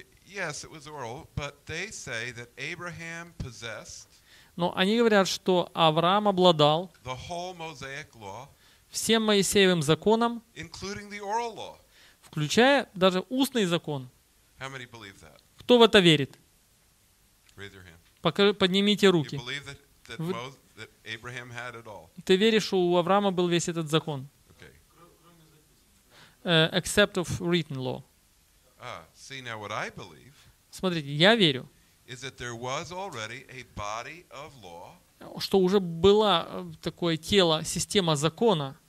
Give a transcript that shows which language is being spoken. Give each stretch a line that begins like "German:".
English: Yes, it was oral, but they say that Abraham possessed.
Russian: Но они говорят, что Авраам обладал
English: the whole Mosaic law,
Russian: всем Моисеевым законом,
English: including the oral law,
Russian: включая даже устный закон.
English: How many believe that?
Russian: Кто в это верит?
English: Raise your hand.
Russian: Поднимите руки.
English: You believe that Abraham had it all.
Russian: Ты веришь, что у Авраама был весь этот закон?
English: Okay. except of written law. See now what I believe.
Russian: Смотрите, я верю.
English: Is that there was already a body of law?
Russian: Что уже было такое тело, система закона,